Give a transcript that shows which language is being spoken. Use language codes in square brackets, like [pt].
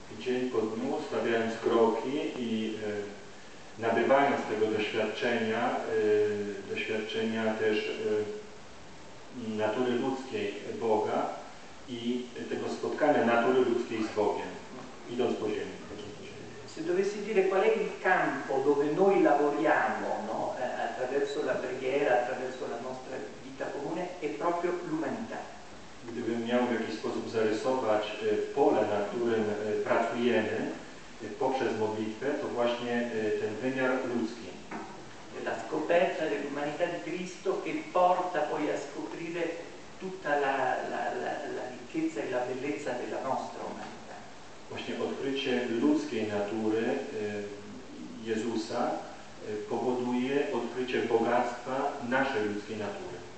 [pl] Dzień po dniu, stawiając kroki i nabywając tego doświadczenia, doświadczenia też natury ludzkiej Boga i tego spotkania natury ludzkiej z Bogiem, idąc po ziemi. [it] Se dovessi dire qual è il campo dove noi lavoriamo, no? Attraverso la preghiera, attraverso la nostra vita comune, è proprio l'umanità. [pl] Gdybym miał w jakiś sposób zarysować pole, na którym pracujemy, poprzez modlitwę, to właśnie ten wymiar ludzki. [it] La scoperta dell'umanità di Cristo che porta poi a scoprire tutta la ricchezza e la bellezza della nostra umanità. [pl] Właśnie odkrycie ludzkiej natury Jezusa powoduje odkrycie bogactwa naszej ludzkiej natury.